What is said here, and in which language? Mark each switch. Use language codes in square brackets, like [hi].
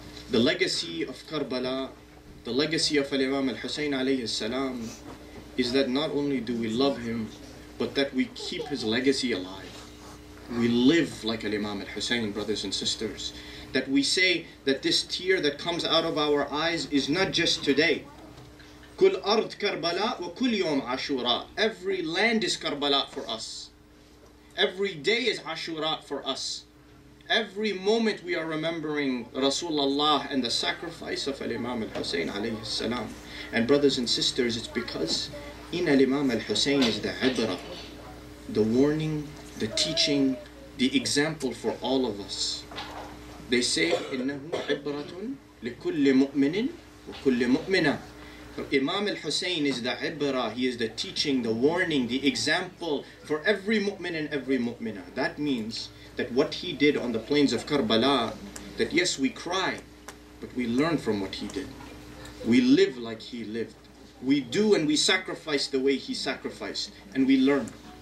[en] The legacy of Karbala, the legacy of Imam al-Hussein alayhi salam, is that not only do we love him, but that we keep his legacy alive. We live like Imam al-Hussein, brothers and sisters. that we say that this tear that comes out of our eyes is not just today. [ar] كل أرض كربلاء وكل يوم عاشوراء. [en] Every land is Karbala for us. Every day is Ashura for us. Every moment we are remembering Rasulullah and the sacrifice of Imam al-Husayn alayhi salam. And brothers and sisters, it's because in Imam al-Husayn is the ibrah, the warning, the teaching, the example for all of us. They say [ar] إنه عبرة لكل مؤمن وكل مؤمنة. [en] Imam al-Husayn is the ibrah, he is the teaching, the warning, the example for every mu'min and every mu'mina. That means that what he did on the plains of Karbala, that yes, we cry, but we learn from what he did. We live like he lived. We do and we sacrifice the way he sacrificed, and we learn.